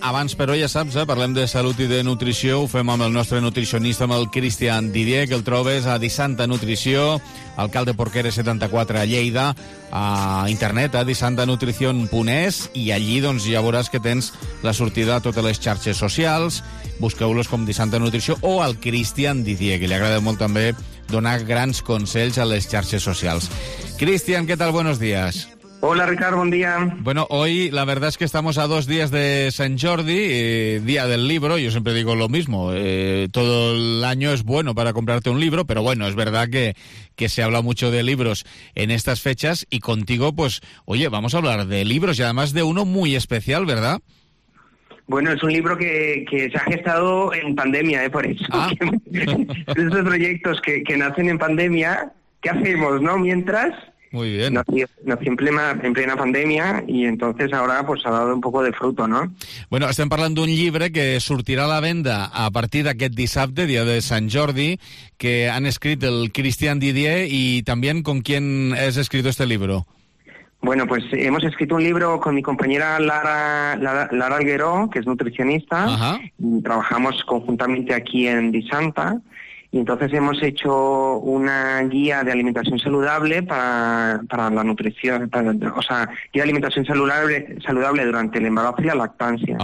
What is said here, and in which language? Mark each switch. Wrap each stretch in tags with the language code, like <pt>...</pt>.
<ca>Abans, però, ja saps, parlem de salut i de nutrició. Ho fem amb el nostre nutricionista, amb el Cristian Didier, que el trobes a Disanta Nutrició, alcalde Porqueres 74 a Lleida, a internet, a disantanutricion.es, i allí doncs ja veuràs que tens la sortida a totes les xarxes socials. Busqueu-los com Disanta Nutrició o al Cristian Didier, que li agrada molt també donar grans consells a les xarxes socials. Cristian, què tal?</ca> <es>Buenos días.</es> <ca>Hola, Ricard, bon dia.</ca> <es>Bueno, hoy la verdad es que estamos a dos días de Sant Jordi, día del libro. Yo siempre digo lo mismo, todo el año es bueno para comprarte un libro, pero bueno, es verdad que se habla mucho de libros en estas fechas y contigo, pues, oye, vamos a hablar de libros y además de uno muy especial, ¿verdad? Bueno, es un libro que se ha gestado en pandemia, por eso. ¿Ah? Esos proyectos que nacen en pandemia, ¿qué hacemos, no? Mientras... Muy bien. Nací en plena pandemia y entonces ahora pues ha dado un poco de fruto, ¿no?</es> <ca>Bueno, estem parlant d'un llibre que sortirà a la venda a partir d'aquest dissabte, dia de Sant Jordi, que han escrit el Cristian Didier i també</ca> <es>con quién has escrito este libro. Bueno, pues hemos escrito un libro con mi compañera Lara Algueró, que es nutricionista. Ajá. Y trabajamos conjuntamente aquí en Disanta. Y entonces hemos hecho una guía de alimentación saludable para la nutrición, guía de alimentación saludable durante el embarazo y la lactancia.</es>